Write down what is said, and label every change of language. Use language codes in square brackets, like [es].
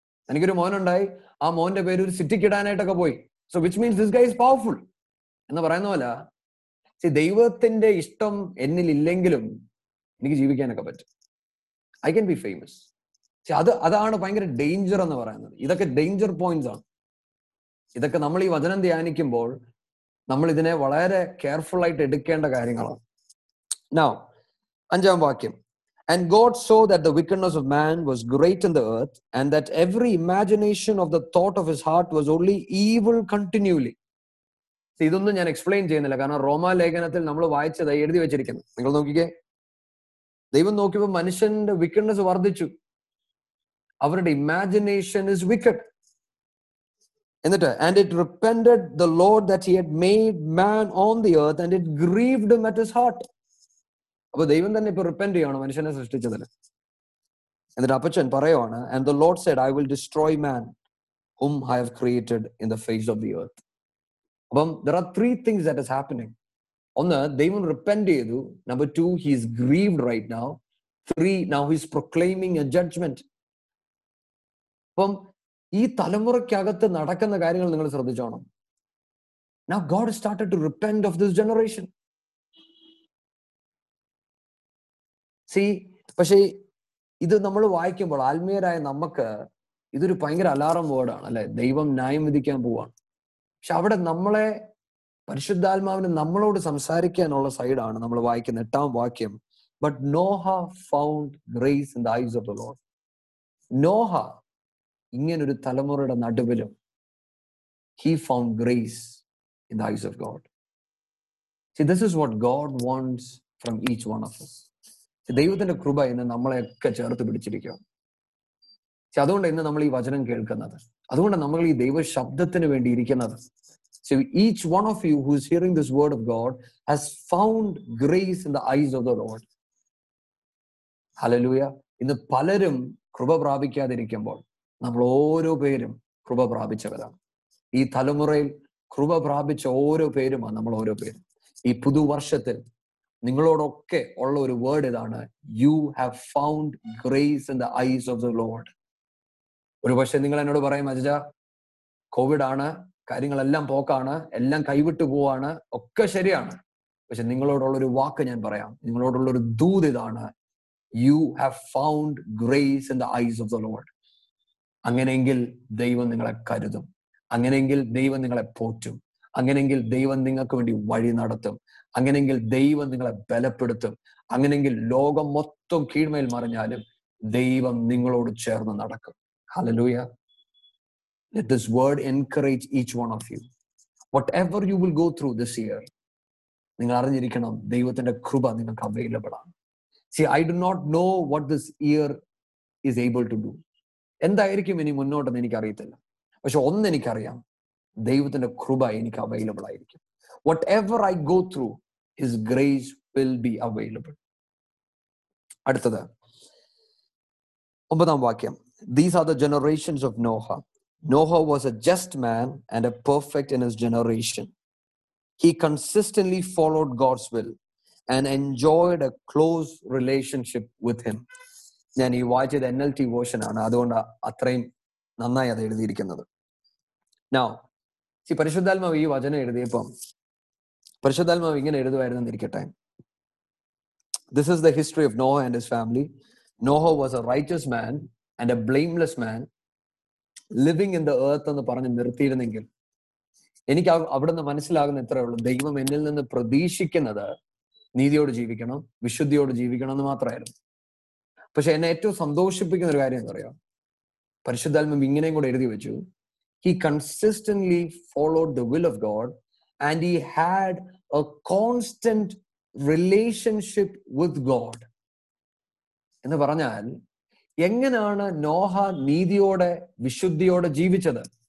[ml] എനിക്കൊരു മോനുണ്ടായി, ആ മോന്റെ പേര് ഒരു സിറ്റിക്ക് ഇടാനായിട്ടൊക്കെ പോയി. [en] so which means this guy is powerful [ml] എന്ന് പറയുന്ന പോലെ, ദൈവത്തിന്റെ ഇഷ്ടം എന്നിൽ ഇല്ലെങ്കിലും എനിക്ക് ജീവിക്കാനൊക്കെ പറ്റും, [en] I can be famous. [ml] അത് അതാണ് ഭയങ്കര ഡേഞ്ചർ എന്ന് പറയുന്നത്. ഇതൊക്കെ ഡേഞ്ചർ പോയിന്റ്സ് ആണ്. ഇതൊക്കെ നമ്മൾ ഈ വചനം ധ്യാനിക്കുമ്പോൾ നമ്മൾ ഇതിനെ വളരെ കെയർഫുൾ ആയിട്ട് എടുക്കേണ്ട കാര്യങ്ങളാണ്. [en] now [ml] അഞ്ചാം വാക്യം, [en] And God saw that the wickedness of man was great in the earth, and that every imagination of the thought of his heart was only evil continually. [ml] See, ഇതൊന്നും ഞാൻ എക്സ്പ്ലെയിൻ ചെയ്യുന്നില്ല, കാരണം റോമാ ലേഖനത്തിൽ നമ്മൾ വായിച്ചത് എഴുതി വെച്ചിരിക്കുന്നു. നിങ്ങൾ നോക്കിക്കേ, ദൈവം നോക്കിയപ്പോ മനുഷ്യന്റെ wickedness വർദ്ധിച്ചു. അവരുടെ [en] imagination is wicked. [ml] എന്നിട്ട്, [en] And it repented the Lord that he had made man on the earth, and it grieved him at his heart. [ml] അപ്പൊ ദൈവം തന്നെ ഇപ്പൊ റിപ്പെൻഡ് ചെയ്യാണ് മനുഷ്യനെ സൃഷ്ടിച്ചതിൽ. എന്നിട്ട് അപ്പച്ചൻ പറയുവാണ്, [en] And the Lord said, I will destroy man whom I have created in the face of the earth. അപ്പം there are three things that is happening. [ml] ഒന്ന്, ദൈവം റിപ്പെൻഡ് ചെയ്തു. [en] Number two, he is grieved right now. Three, now he is proclaiming a judgment. [ml] അപ്പം ഈ തലമുറയ്ക്കകത്ത് നടക്കുന്ന കാര്യങ്ങൾ നിങ്ങൾ ശ്രദ്ധിച്ചോണം. [en] Now God started to repent of this generation. [ml] See, പക്ഷേ ഇത് നമ്മൾ വായിക്കുമ്പോൾ ആത്മീയരായ നമുക്ക് ഇതൊരു ഭയങ്കര അലാറം വേർഡാണ് അല്ലെ? ദൈവം ന്യായം വിധിക്കാൻ പോവാണ്. പക്ഷെ അവിടെ നമ്മളെ പരിശുദ്ധാത്മാവിന് നമ്മളോട് സംസാരിക്കാനുള്ള സൈഡാണ് നമ്മൾ വായിക്കുന്ന എട്ടാം വാക്യം. [en] But Noah found grace in the eyes of the Lord. Noah, [ml] ഇങ്ങനൊരു തലമുറയുടെ നടുവിലും [en] He found grace in the eyes of God. See, this is what God wants from each one of us. [ml] ദൈവത്തിന്റെ കൃപ എന്നെ നമ്മളെയൊക്കെ ചേർത്ത് പിടിച്ചിരിക്കുക. പക്ഷെ അതുകൊണ്ടാണ് ഇന്ന് നമ്മൾ ഈ വചനം കേൾക്കുന്നത്. അതുകൊണ്ടാണ് നമ്മൾ ഈ ദൈവശബ്ദത്തിന് വേണ്ടി ഇരിക്കുന്നത്. [en] So each one of you who is hearing this word of God has found grace in the eyes of the Lord. Hallelujah. [ml] ഇന്ന് പലരും കൃപ പ്രാപിക്കാതിരിക്കുമ്പോൾ നമ്മൾ ഓരോ പേരും കൃപ പ്രാപിച്ചവരാണ്. ഈ തലമുറയിൽ കൃപ പ്രാപിച്ച ഓരോ പേരുമാണ് നമ്മൾ ഓരോ പേരും. ഈ പുതുവർഷത്തിൽ നിങ്ങളോടൊക്കെ ഉള്ള ഒരു വേർഡ് ഇതാണ്, [en] You have found grace in the eyes of the Lord. [ml] ഒരു പക്ഷേ നിങ്ങൾ എന്നോട് പറയും, അജജ കോവിഡ് ആണ്, കാര്യങ്ങളെല്ലാം പോക്കാണ്, എല്ലാം കൈവിട്ടു പോവാണ്, ഒക്കെ ശരിയാണ്. പക്ഷെ നിങ്ങളോടുള്ള ഒരു വാക്ക് ഞാൻ പറയാം, നിങ്ങളോടുള്ള ഒരു ദൂത് ഇതാണ്, [en] You have found grace in the eyes of the Lord. [ml] അങ്ങനെയെങ്കിൽ ദൈവം നിങ്ങളെ കരുതും, അങ്ങനെയെങ്കിൽ ദൈവം നിങ്ങളെ പോറ്റും, അങ്ങനെയെങ്കിൽ ദൈവം നിങ്ങൾക്ക് വേണ്ടി വഴി നടത്തും, അങ്ങനെയെങ്കിൽ ദൈവം നിങ്ങളെ ബലപ്പെടുത്തും, അങ്ങനെയെങ്കിൽ ലോകം മൊത്തം കീഴ്മേൽ മറിഞ്ഞാലും ദൈവം നിങ്ങളോട് ചേർന്ന് നടക്കും. [en] Hallelujah. Let this word encourage each one of you. Whatever you will go through this year, [ml] നിങ്ങൾ അറിഞ്ഞിരിക്കണം ദൈവത്തിന്റെ കൃപ നിങ്ങൾക്ക് അവൈലബിൾ ആണ്. [en] See, I do not know what this year is able to do. [ml] എന്തായിരിക്കും ഇനി മുന്നോട്ടെന്ന് എനിക്കറിയത്തില്ല. പക്ഷെ ഒന്ന് എനിക്കറിയാം, ദൈവത്തിന്റെ കൃപ എനിക്ക് അവൈലബിൾ ആയിരിക്കും. [en] Whatever I go through, His grace will be available. [ml] അടുത്തത് ഒമ്പതാം വാക്യം. [en] These are the generations of Noah. Noah was a just man and a perfect in his generation. He consistently followed God's will and enjoyed a close relationship with Him. [ml] ഞാൻ ഈ വായിച്ചത് NLT version ആണ്, അതുകൊണ്ട് അത്രയും നന്നായി അത് എഴുതിയിരിക്കുന്നത്. Now, see, പരിശുദ്ധാത്മാവ് ഈ വചനം എഴുതിയപ്പം പരിശുദ്ധാത്മാവ് ഇങ്ങനെ എഴുതുമായിരുന്നു എന്നിരിക്കട്ടെ. [en] This is the history of Noah and his family. Noah was a righteous man and a blameless man living in the earth [ml] എന്ന് പറഞ്ഞ് നിർത്തിയിരുന്നെങ്കിൽ എനിക്ക് അവിടുന്ന് മനസ്സിലാകുന്ന ഇത്രയേ ഉള്ളൂ, ദൈവം എന്നിൽ നിന്ന് പ്രതീക്ഷിക്കുന്നത് നീതിയോട് ജീവിക്കണം, വിശുദ്ധിയോട് ജീവിക്കണം എന്ന് മാത്രമായിരുന്നു. പക്ഷെ എന്നെ ഏറ്റവും സന്തോഷിപ്പിക്കുന്ന ഒരു കാര്യം എന്തറിയോ, പരിശുദ്ധാത്മാവ് ഇങ്ങനെയും കൂടെ എഴുതി വെച്ചു, [en] he consistently followed the will of God and he had a constant relationship with God [ml] എന്ന് പറഞ്ഞാൽ എങ്ങനെയാണ് നോഹ നീതിയോടെ വിശുദ്ധിയോടെ ജീവിച്ചത്?